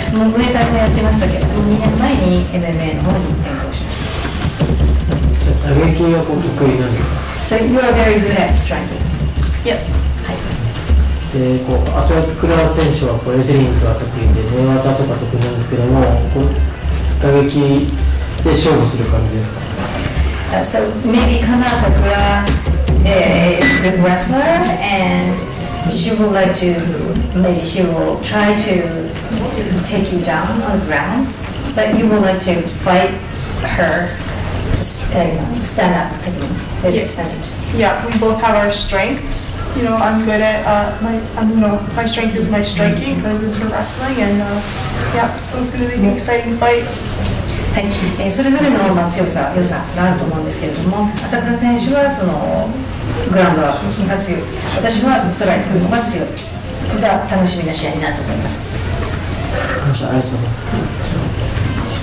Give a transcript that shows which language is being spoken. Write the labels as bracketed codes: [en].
[ja] もうムエタイもやってましたけど、2年前に MMA の方に転向しました。打撃はこう得意なんですか？ [en] So you are very good at striking. Yes. [ja] でこう朝倉選手はこうレスリングが得意で寝技とか得意なんですけども、こう打撃で勝負する感じですか？ [en] So maybe Kana Sakura is a good wrestler, and she would like to, maybe she will try to take you down on the ground, but you would like to fight her stand up technique. Yes, yeah, we both have our strengths. You know, I'm good at my strength is my striking, hers is her wrestling, and yeah, so it's going to be an exciting fight. [ja] はい、それぞれの、まあ、強さ、良さがあると思うんですけれども、朝倉選手はそのグラウンドワークが強い、私はストライクの方が強い。また楽しみな試合になると思います。ありがとうございます。